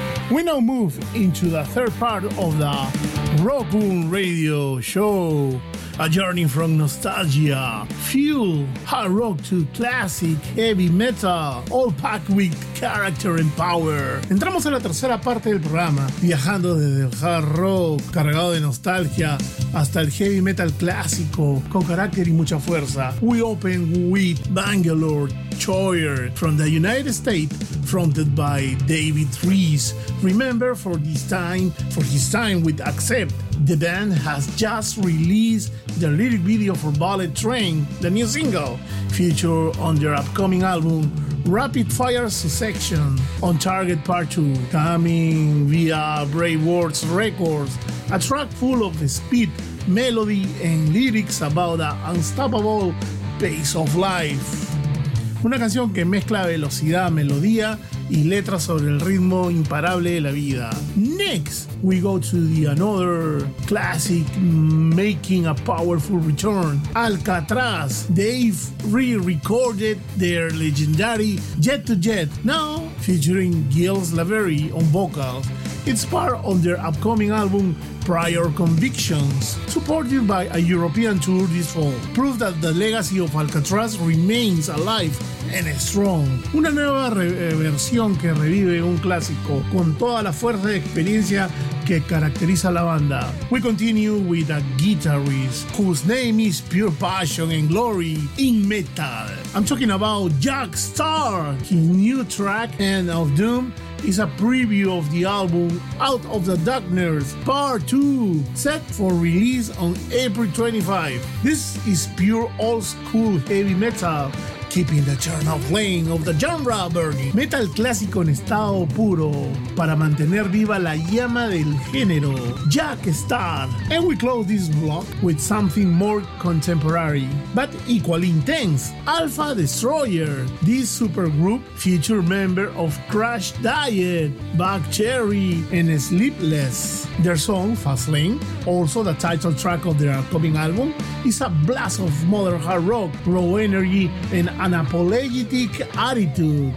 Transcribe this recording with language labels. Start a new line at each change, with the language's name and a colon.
English: We now move into the third part of the Rockoon Radio Show. A journey from nostalgia, fuel, hard rock to classic, heavy metal, all packed with character and power.
Spanish: Entramos en la tercera parte del programa, viajando desde el hard rock, cargado de nostalgia, hasta el heavy metal clásico, con carácter y mucha fuerza.
English: We open with Bangalore Choir from the United States, fronted by David Rees. Remember for his time with Accept. The band has just released the lyric video for Bullet Train, the new single, featured on their upcoming album, Rapid Fire Succession, On Target Part 2, coming via Brave Words Records, a track full of speed, melody, and lyrics about the unstoppable pace of life.
Spanish: Una canción que mezcla velocidad, melodía, y letras sobre el ritmo imparable de la vida.
English: Next, we go to the another classic making a powerful return. Alcatraz, they've re-recorded their legendary Jet to Jet, now featuring Gilles Laverie on vocals. It's part of their upcoming album, Prior Convictions, supported by a European tour this fall. Proof that the legacy of Alcatraz remains alive and strong.
Spanish: Una nueva versión que revive un clásico con toda la fuerza de experiencia que caracteriza a la banda.
English: We continue with a guitarist whose name is Pure Passion and Glory in Metal. I'm talking about Jack Starr. His new track, End of Doom, is a preview of the album Out of the Darkness Part 2, set for release on April 25. This is pure old-school heavy metal, keeping the eternal flame of the genre burning.
Spanish: Metal clásico en estado puro, para mantener viva la llama del género.
English: Jack Starr. And we close this block with something more contemporary, but equally intense. Alpha Destroyer. This supergroup feature member of Crash Diet, Buck Cherry, and Sleepless. Their song, Fastlane, also the title track of their upcoming album, is a blast of modern hard rock, raw energy, and an apologetic attitude.